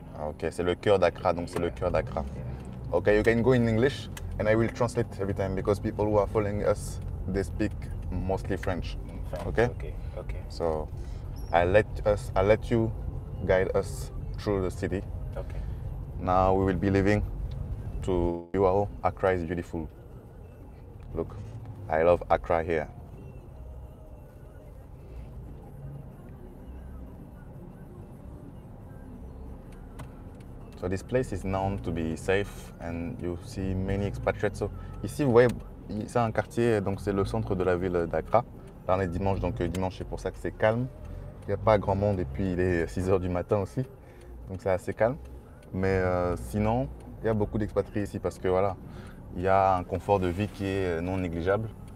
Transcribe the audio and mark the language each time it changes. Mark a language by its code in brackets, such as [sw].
[fr] Okay, c'est le cœur d'Accra, donc c'est le cœur d'Accra. [en] Yeah. Okay, you can go in English and I will translate every time because people who are following us, they speak mostly French. Okay? Okay, okay. So I let you guide us through the city. Okay. Now we will be leaving to UAO. Accra is beautiful. Look, I love Accra here. So this place is known to be safe and you see many expatriates. [fr] So ici vous voyez, c'est un quartier, donc c'est le centre de la ville d'Accra. Là on est dimanche, donc dimanche c'est pour ça que c'est calme. Il n'y a pas grand monde et puis il est 6h du matin aussi. Donc c'est assez calme. Mais sinon, il y a beaucoup d'expatriés ici parce que voilà, il y a un confort de vie qui est non négligeable.